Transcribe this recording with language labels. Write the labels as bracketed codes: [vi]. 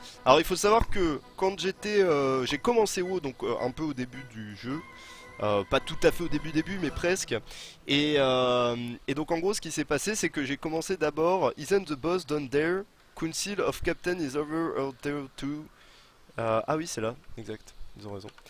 [fr] Alors il faut savoir que quand j'étais, j'ai commencé WoW, donc un peu au début du jeu. Pas tout à fait au début, mais presque. Et donc en gros, ce qui s'est passé, c'est que j'ai commencé d'abord « [en] Isn't the boss done there? Council of Captain is over or there too? [fr] » Ah oui, c'est là, exact, ils ont raison.